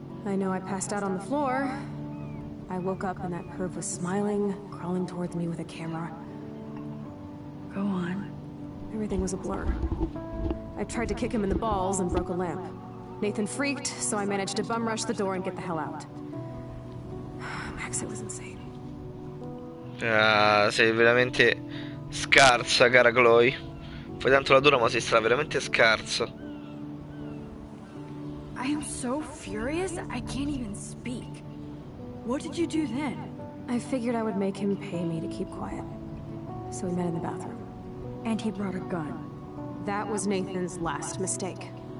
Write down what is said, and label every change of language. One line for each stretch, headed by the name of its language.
English: I know I passed out on the floor. I woke up and that perv was smiling, crawling towards me with a camera. Go on. Everything was a blur. I tried to kick him in the balls and broke a lamp. Nathan freaked, so I managed to bum rush the door and get the hell out. Max, it was insane.
Italian: Ah, sei veramente scarsa, cara Chloe. Fai tanto la dura, ma sei stata veramente scarsa.
English: I am so furious, I can't even speak. What did you do then? I figured I would make him pay me to keep quiet. So we met in the bathroom. And he brought a gun. That was Nathan's last mistake.